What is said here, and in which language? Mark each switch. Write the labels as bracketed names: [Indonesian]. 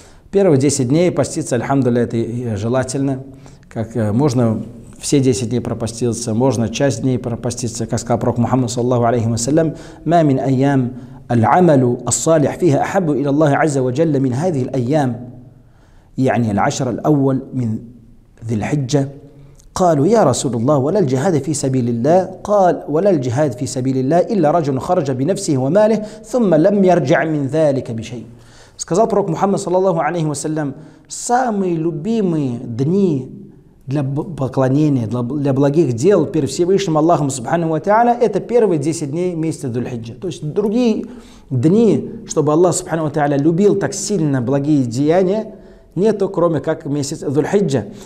[Russian] Первые 10 дней поститься, альхамдулилля, это желательно. Как можно все 10 дней пропаститься, можно часть дней пропаститься. Как сказал пророк Мухаммад, саллаллаху алейхи ва саллям, [Arabic] «Ма мин айям аль-амалу ас-салих фиха ахаббу иля Аллахи азза ва джалля мин хазихи аль-айям». يعني العشر الأول من ذي الحجة قالوا يا رسول الله ولا الجهاد في سبيل الله قال ولا الجهاد في سبيل الله إلا رجل خرج بنفسه وماله ثم لم يرجع من ذلك بشيء. [Russian] Сказал пророк Мухаммад саллаллаху алейхи ва саллям, самые любимые дни для поклонения, для благих дел перед Всевышним Аллахом субхану ва тааля, это первые 10 дней месяца Дзуль-Хиджа. То есть другие дни, чтобы Аллах субхану ва тааля любил так сильно благие деяния, нету, кроме как месяц Дзуль-Хиджа.